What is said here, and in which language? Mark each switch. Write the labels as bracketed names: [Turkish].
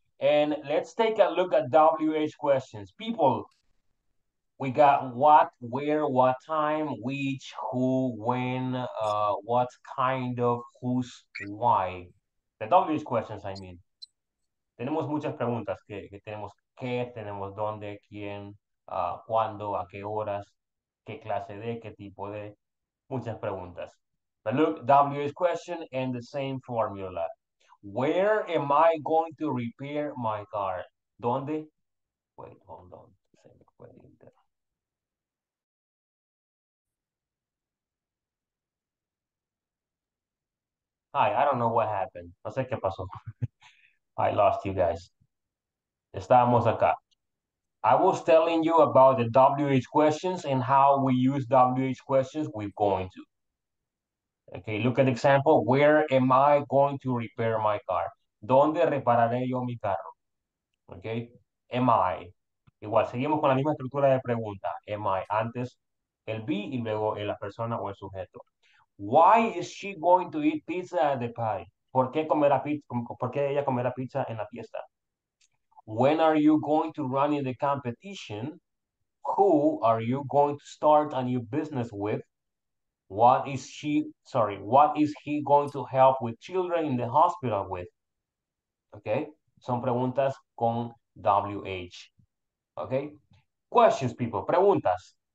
[English] And let's take a look at WH questions. People, we got what, where, what time, which, who, when, what kind of, whose, why. The WH questions, I mean. [Spanish] Tenemos muchas preguntas. Que tenemos qué, tenemos dónde, quién, cuándo, a qué horas, qué clase de, qué tipo de. Muchas preguntas. [English] But look, WH question and the same formula. Where am I going to repair my car? [Spanish] ¿Dónde? [English] Wait, hold on. [Spanish] Se me fue el internet. [English] Hi, I don't know what happened. [Spanish] No sé qué pasó. [English] I lost you guys. [Spanish] Estábamos acá. [English] I was telling you about the WH questions and how we use WH questions we're going to. Okay, look at the example. Where am I going to repair my car? [Spanish] ¿Dónde repararé yo mi carro? [English] Okay, am I. [Spanish] Igual, seguimos con la misma estructura de pregunta. [English] Am I. [Spanish] Antes el be y luego la persona o el sujeto. [English] Why is she going to eat pizza at the party? [Spanish] ¿Por qué ella comerá pizza en la fiesta? [English] When are you going to run in the competition? Who are you going to start a new business with? What is he going to help with children in the hospital with? [Spanish] Okay, son preguntas con WH. [English] Okay, questions, people, [Spanish] preguntas.